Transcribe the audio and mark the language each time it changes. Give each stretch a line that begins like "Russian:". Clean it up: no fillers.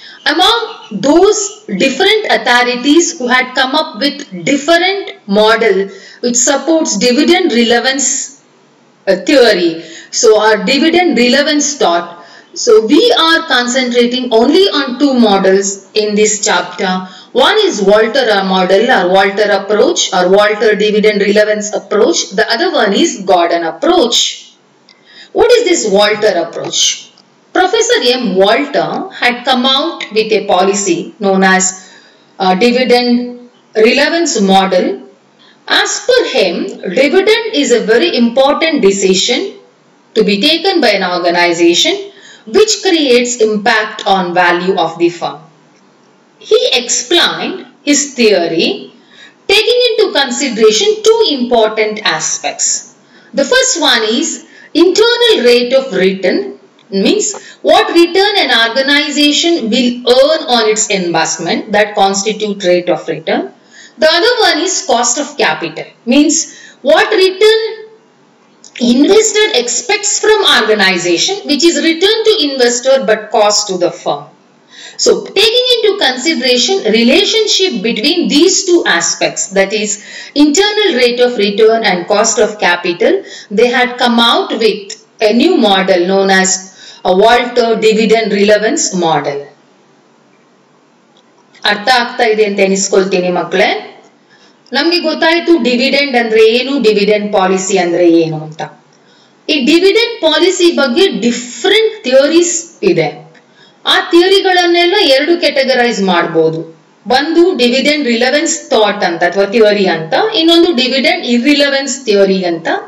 English: Among those different authorities who had come up with different model which supports dividend relevance theory, so our dividend relevance thought, so we are concentrating only on two models in this chapter. One is Walter model or Walter approach or Walter dividend relevance approach. The other one is Gordon approach. What is this Walter approach? Professor M Walter had come out with a policy known as dividend relevance model. As per him, dividend is a very important decision to be taken by an organisation which creates impact on value of the firm. He explained his theory taking into consideration two important aspects. The first one is internal rate of return, means what return an organization will earn on its investment that constitute rate of return. The other one is cost of capital, means what return investor expects from organization which is return to investor but cost to the firm. So taking into consideration relationship between these two aspects, that is internal rate of return and cost of capital, they had come out with a new model known as a Walter dividend relevance model.
Kannada: ಅರ್ಥ ಆಗ್ತಾ ಇದೆ ಅಂತ ಎನಿಸ್ಕೊಳ್ತೀನಿ ಮಕ್ಕಳೇ. ನಮಗೆ ಗೊತ್ತಾಯ್ತು dividend ಅಂದ್ರೆ ಏನು, dividend policy ಅಂದ್ರೆ ಏನು ಅಂತ. ಈ ಡಿವಿಡೆಂಡ್ ಪಾಲಿಸಿ ಬಗ್ಗೆ ಡಿಫ್ರೆಂಟ್ ಥಿಯರೀಸ್ ಇದೆ. ಆ ಥಿಯರಿಗಳನ್ನೆಲ್ಲ ಎರಡು ಕ್ಯಾಟಗರೈಸ್ ಮಾಡಬಹುದು. ಒಂದು ಡಿವಿಡೆಂಡ್ ರಿಲವೆನ್ಸ್ ಥಾಟ್ ಅಂತ ಅಥವಾ ಥಿಯರಿ ಅಂತ, ಇನ್ನೊಂದು ಡಿವಿಡೆಂಡ್ ಇರ್ರಿಲವೆನ್ಸ್ ಥಿಯರಿ ಅಂತ.